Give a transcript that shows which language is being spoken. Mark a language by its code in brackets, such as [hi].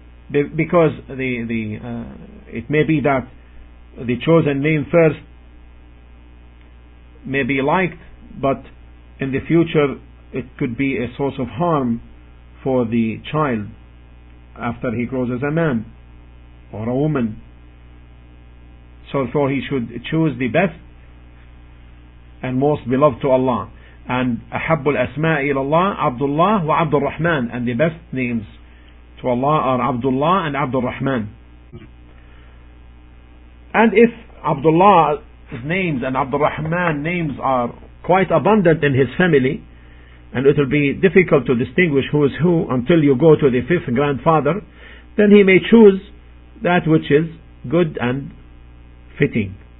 [en] Because it may be that the chosen name first may be liked, but in the future it could be a source of harm for the child. after he grows as a man or a woman. So therefore he should choose the best and most beloved to Allah. [ar] And أحب الأسماء إلى الله عبد الله وعبد الرحمن. [en] And the best names to Allah are Abdullah and عبد الرحمن. And if Abdullah's names and عبد الرحمن names are quite abundant in his family, and it will be difficult to distinguish who is who until you go to the fifth grandfather, then he may choose that which is good and fitting.